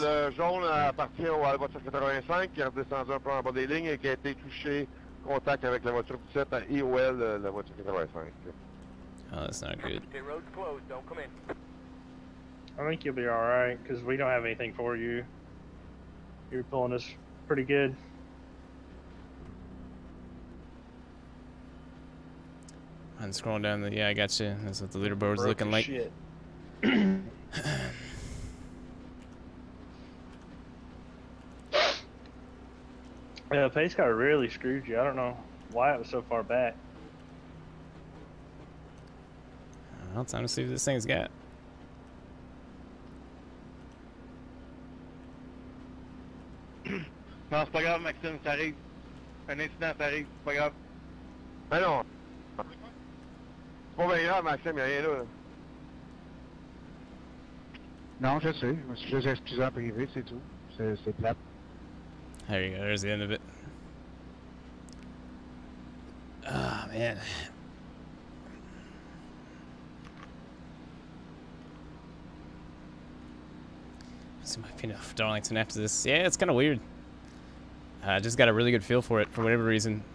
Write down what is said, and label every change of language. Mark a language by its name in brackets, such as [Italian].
[French] Donc la zone à partir à la voiture 85 qui a descendu en première ligne et qui a été touché contact avec la voiture 7 à IOL la voiture 85. [English] Oh, that's not good. I think you'll be all right because we don't have anything for you. You're pulling us pretty good. And scrolling down the I got you. That's what the leaderboard's broke looking like. Shit. Yeah, the pace car really screwed you. I don't know why it was so far back. Well, time to see what this thing's got. [French] Non, c'est pas grave, Maxime. Ça arrive. Un incident, ça arrive. C'est pas grave. Mais non. C'est pas bien grave, Maxime, y'a rien là. Non, je sais, je me suis juste excusé en privé, c'est tout. C'est plate. [English] There you go, there's the end of it. Ah, man. This might be enough for Darlington after this. Yeah, it's kind of weird. I just got a really good feel for it, for whatever reason.